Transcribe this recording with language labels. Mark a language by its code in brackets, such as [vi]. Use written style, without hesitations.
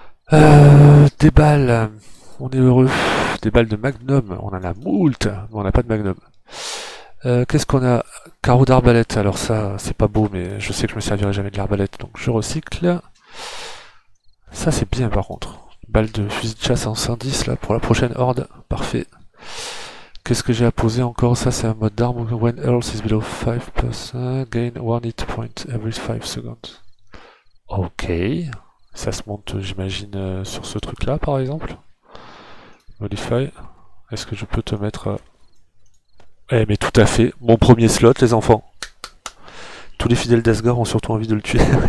[fr] Des balles. On est heureux. Des balles de magnum, on en a moult, mais on n'a pas de magnum. Qu'est-ce qu'on a? Carreau d'arbalète, alors ça, c'est pas beau, mais je sais que je me servirai jamais de l'arbalète, donc je recycle. Ça, c'est bien par contre. Balle de fusil de chasse en 110 là pour la prochaine horde, parfait. Qu'est-ce que j'ai à poser encore? Ça, c'est un mode d'arme. [en] When health is below 5%, gain 1 hit point every 5 secondes. [fr] Ok, ça se monte, j'imagine, sur ce truc là par exemple. Modify. Est-ce que je peux te mettre. Eh, mais tout à fait. Mon premier slot, les enfants. Tous les fidèles d'Asgard ont surtout envie de le tuer.